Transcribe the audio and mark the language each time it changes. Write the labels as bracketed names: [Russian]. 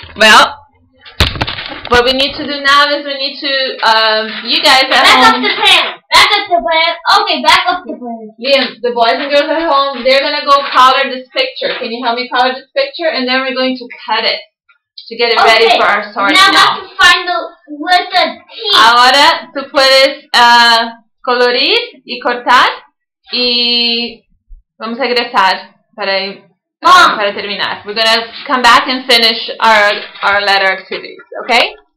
[English] Well, what we need to do now is we need to, you guys at back home. Back up the pan. Back up the pan. Okay, back up the pan. Liam, the boys and girls at home, they're going to go color this picture. Can you help me color this picture? And then we're going to cut it. To get it okay. Ready for our sorting. Now I have to find the letter T. [Spanish] Ahora tú puedes colorir y cortar y vamos a regresar para terminar. [English] We're gonna come back and finish our letter activities, okay?